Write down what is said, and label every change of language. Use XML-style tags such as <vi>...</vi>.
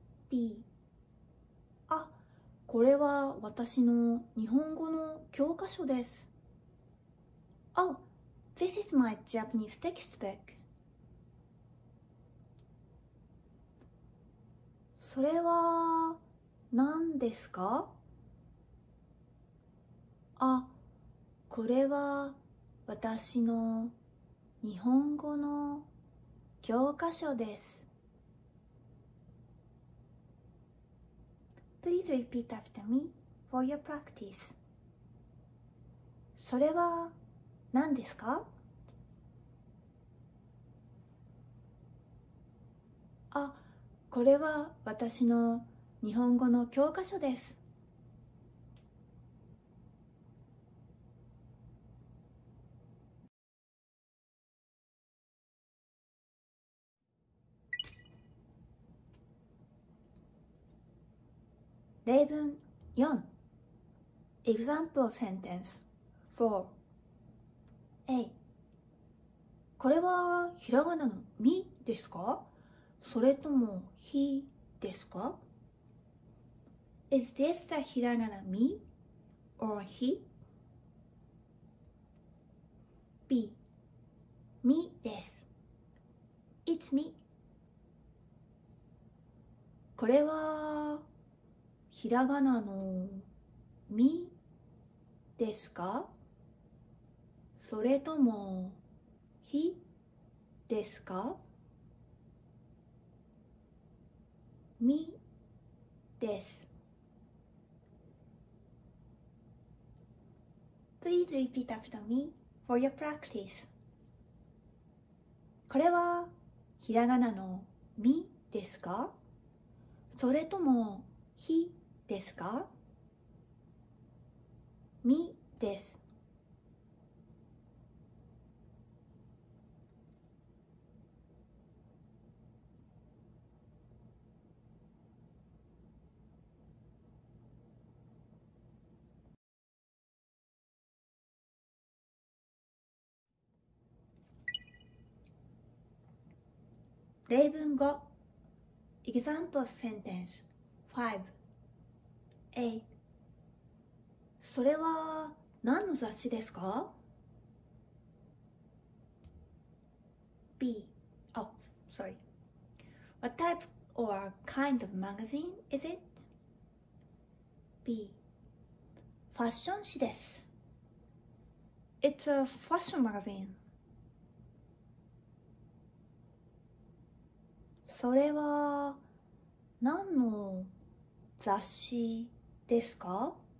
<ja>B あ、これは私の日本語の教科書です。</ja> <en>Oh, this is my Japanese textbook.</en> <ja>それは何ですか? あ、これは私の日本語の教科書です。</ja> <en>Please repeat after me for your practice.</en> <ja>それは何ですか? あ、これは私の日本語の教科書です。</ja> <en>例文4 Example sentence 4 A</en> <ja>これはひらがなのみですか? それとも he ですか?</ja> <en>Is this a hiragana me or he?</en> <ja>B me です</ja> <en>It's me</en> <ja>これはひらがなのみですか? それとも he ですか? みです。</ja> <en>Please repeat after me for your practice.</en> <ja>これはひらがなのみですか? それともひですか? みです。</ja> <en>例文5 Example sentence 5 A</en> <ja>それは何の雑誌ですか?</ja> <en>B Oh, sorry What type or kind of magazine is it?</en> <ja>B ファッション誌です</ja> <en>It's a fashion magazine</en> <ja>それは何の雑誌ですか?</ja>